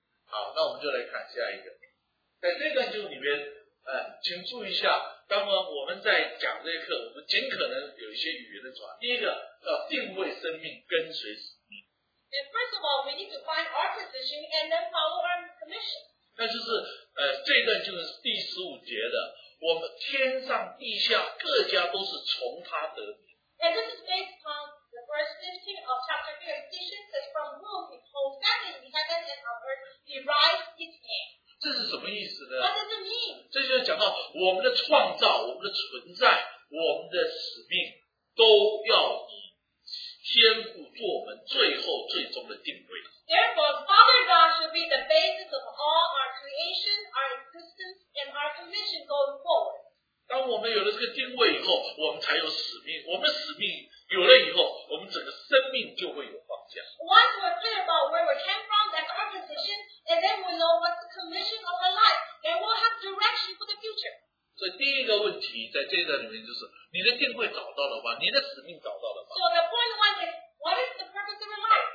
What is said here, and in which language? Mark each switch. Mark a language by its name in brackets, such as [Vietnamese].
[Chinese] 好，那我们就来看下一个。在这段经文里面，请注意一下，当我们在讲这一课，我们尽可能有一些语言的转换。第一个，要定位生命，跟随使命。 [English] And first of all, we need to find our position and then follow our commission. [Chinese] 那就是这一段经文是第十五节的，我们天上地下各家都是从他得名。 [English] And this is based on the verse 15 of chapter 3 of Ephesians, says from whom he holds everything in heaven and on earth derives his name. [Chinese] 这是什么意思呢 [English] ？What does it mean？ [Chinese] 这就是讲到我们的创造、我们的存在、我们的使命，都要以天父做我们最后最终的定位。 [English] Therefore, Father God should be the basis of all our creation, our existence, and our commission going forward. [Chinese] 当我们有了这个定位以后，我们才有使命。我们使命有了以后，我们整个生命就会有方向。 [English] Once we're clear about where we came from, that's our position, and then we know what's the commission of our life, and we'll have direction for the future. [Chinese] 所以第一个问题在这一段里面就是，你的定位找到了吗？你的使命找到了吗 [English] ？So the point one is, what is the purpose of our life?